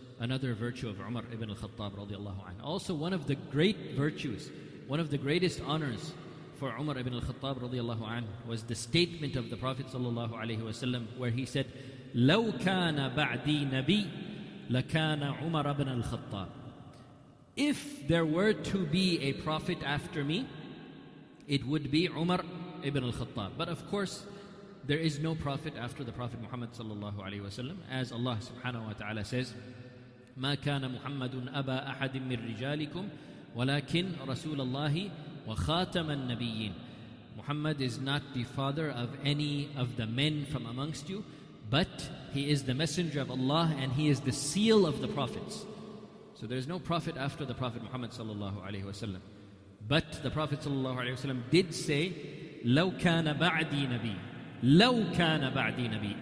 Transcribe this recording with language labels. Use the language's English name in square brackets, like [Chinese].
[English] another virtue of Umar ibn Al-Khattab radiallahu anhu. Also one of the great virtues, one of the greatest honors for Umar ibn Al-Khattab radiallahu anhu was the statement of the Prophet sallallahu alayhi wa sallam, where he said, [Arabic] لَوْ كَانَ بَعْدِي نَبِي لَكَانَ عُمَرَ ابْنَ الْخَطَّابِ. [English] If there were to be a prophet after me, it would be Umar ibn Al-Khattab. But of course, there is no prophet after the Prophet Muhammad sallallahu alayhi wa sallam. As Allah subhanahu wa ta'ala says, [Arabic] مَا كَانَ مُحَمَّدٌ أَبَى أَحَدٍ مِّن رِجَالِكُمْ وَلَكِنْ رَسُولَ اللَّهِ وَخَاتَمَ النَّبِيِّينَ. [English] Muhammad is not the father of any of the men from amongst you, but he is the messenger of Allah and he is the seal of the prophets. So there is no prophet after the Prophet Muhammad sallallahu alayhi wa sallam. But the Prophet sallallahu alayhi wa sallam did say, [Arabic] لَوْ كَانَ بَعْدِي نَبِي لَوْ كَانَ بَعْدِي نَبِي.